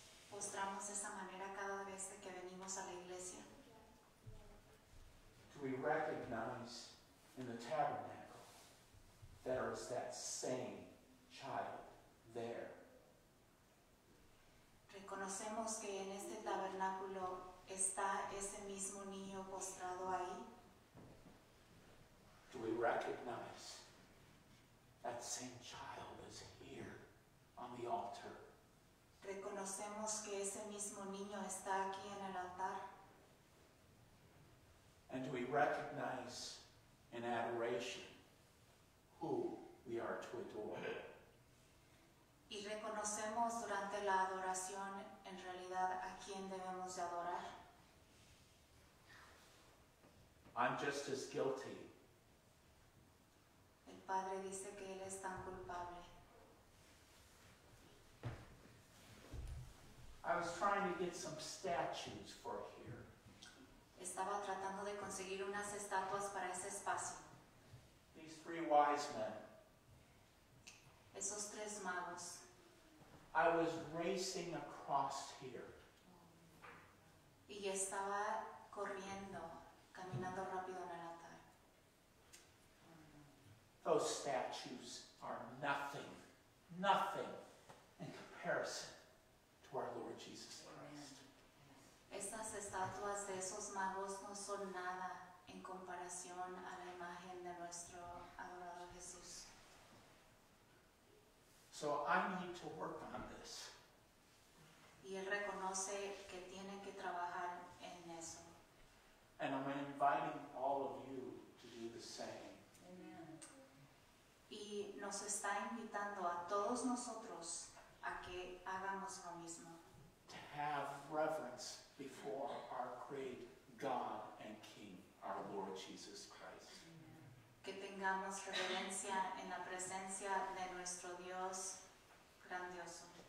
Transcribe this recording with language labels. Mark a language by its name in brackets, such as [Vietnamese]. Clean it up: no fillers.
[Spanish] mostramos de esa manera cada vez que venimos a la iglesia. [English] Do we recognize in the tabernacle there is that same child there? [Spanish] Reconocemos que en este tabernáculo está ese mismo niño postrado ahí. [English] Do we recognize that same child is here on the altar? [Spanish] Reconocemos que ese mismo niño está aquí en el altar. [English] And do we recognize in adoration who we are to adore? [Spanish] Y reconocemos durante la adoración en realidad a quién debemos de adorar. [English] I'm just as guilty. [Spanish] El Padre dice que él es tan culpable. [English] I was trying to get some statues for here. [Spanish] Estaba tratando de conseguir unas estatuas para ese espacio. [English] These three wise men. [Spanish] Esos tres magos. [English] I was racing across here. [Spanish] Y estaba corriendo, caminando rápido en el altar. [English] Those statues are nothing, nothing in comparison to our Lord Jesus Christ. [Spanish] Estas estatuas de esos magos no son nada en comparación a la imagen de nuestro adorado Jesús. [English] So I need to work on this. [Spanish] Y él reconoce que tiene que trabajar en eso. [English] And I'm inviting all of you to do the same. Amen. [Spanish] Y nos está invitando a todos nosotros a que hagamos lo mismo. [English] To have reverence before our great God and King, our Lord Jesus Christ. [Spanish] Que tengamos reverencia en la presencia de nuestro Dios grandioso.